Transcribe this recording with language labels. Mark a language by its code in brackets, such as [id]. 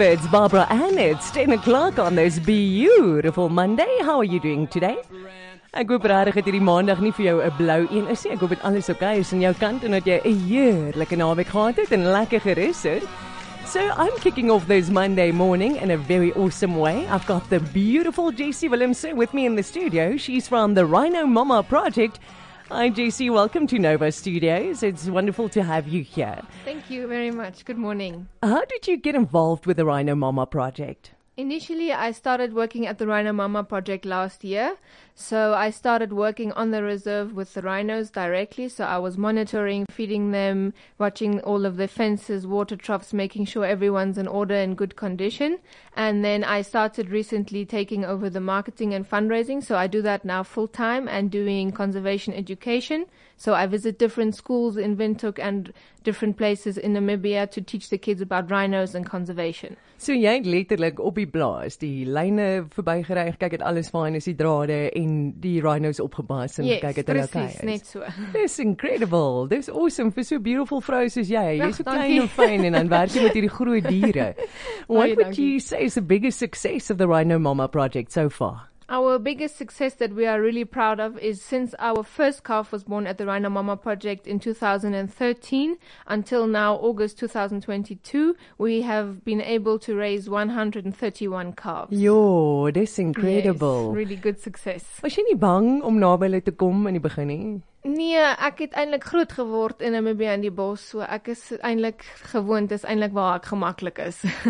[en] It's Barbara and it's 10 o'clock on this beautiful Monday. How are you doing today? [af] Ek hoop regtig dat hierdie maandag nie vir jou 'n blou een is nie. Ek hoop dit alles oké is aan jou kant en dat jy 'n heerlike naweek gehad het en lekker gerus het. [en] So I'm kicking off this Monday morning in a very awesome way. I've got the beautiful Jessie Willemse with me in the studio. She's from the Rhino Mama Project. Hi, JC. Welcome to Nova Studios. It's wonderful to have you here. Thank you very much. Good morning. How did you get involved with the Rhino Mama Project? Initially, I started working at the Rhino Mama Project last year. So I started working on the reserve with the rhinos directly. So I was monitoring, feeding them, watching all of the fences, water troughs, making sure everyone's in order and good condition. And then I started recently taking over the marketing and fundraising. So I do that now full time and doing conservation education. So I visit different schools in Windhoek and different places in Namibia to teach the kids about rhinos and conservation. [af] So jy het letterlik op die plaas die lyne verbygery, kyk het alles fyn is die drade en die rhinos opgebaas en [en] yes, [af] kyk het hulle okay is. Yes, precies, net so. [en] That's incredible, that's awesome for so beautiful [af] vrou soos jy. Jy is so klein en fyn en dan werk jy met hierdie groot diere. [en] What would you say is the biggest success of the Rhino Mama Project so far? Our biggest success that we are really proud of is since our first calf was born at the Rhino Mama Project in 2013 until now, August 2022, we have been able to raise 131 calves. Yo, that's incredible. Yes, really good success. [af] Was jy nie bang om naby hulle te kom in die begin nie? Nee, ek het eintlik groot geword in Namibia in die bos, so ek is eintlik gewoond, dis eintlik waar ek gemaklik is.